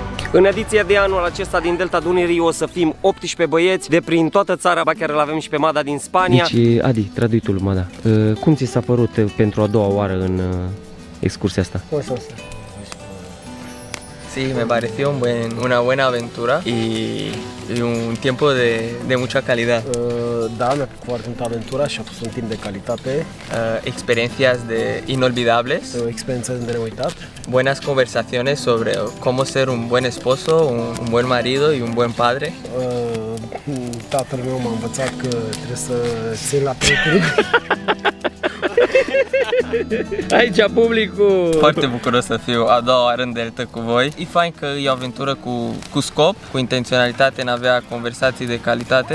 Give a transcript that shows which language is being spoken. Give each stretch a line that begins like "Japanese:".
Romanian: În ediția de anul acesta din Delta Dunării o să fim 18 băieți de prin toată țara, ba chiar îl avem și pe Mada din Spania. Deci, Adi, tradui tu, Mada, cum ți s-a părut pentru a doua oară în excursia asta?
Spanish: Sí, me pareció un buen, una buena aventura y, y un tiempo de, de mucha calidad.
Romanian: Da, mi-a plăcut foarte mult aventura și a fost un timp de calitate.
Spanish: Experiencias de inolvidables.
Romanian: Experiențe de neuitat.
Spanish: Buenas conversaciones sobre cómo ser un buen esposo, un buen marido y un buen padre.
Romanian: Tatăl meu m-a învățat că trebuie să țin la prieteni. Aici publicul! Foarte bucuros să fiu a doua oară în Delta cu voi. E fain că e o aventură cu scop, cu intenționalitate, în a avea conversații de calitate.